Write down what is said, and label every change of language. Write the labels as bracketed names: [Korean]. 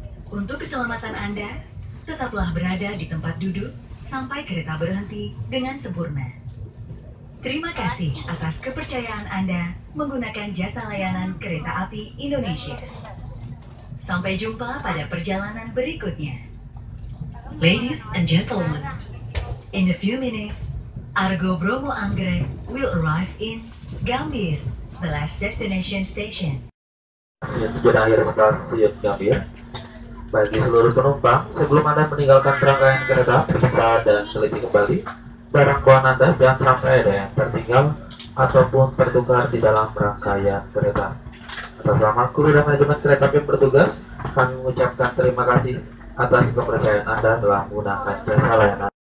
[Indonesian] Untuk keselamatan Anda, tetaplah berada di tempat duduk sampai kereta berhenti dengan sempurna. Terima kasih atas kepercayaan Anda menggunakan jasa layanan kereta api Indonesia. Sampai jumpa pada perjalanan berikutnya. [English] Ladies and gentlemen, in a few minutes, Argo Bromo Anggrek will arrive in Gambir, the last destination station. [Indonesian] Tujuan akhir stasiun Gambir. Bagi seluruh penumpang, sebelum Anda meninggalkan rangkaian kereta, periksa dan teliti kembali barang bawaan Anda dan sampai ada yang tertinggal ataupun tertukar di dalam rangkaian kereta. Atas nama kru dan manajemen kereta api bertugas, kami mengucapkan terima kasih atas kepercayaan Anda telah menggunakan jasa layanan.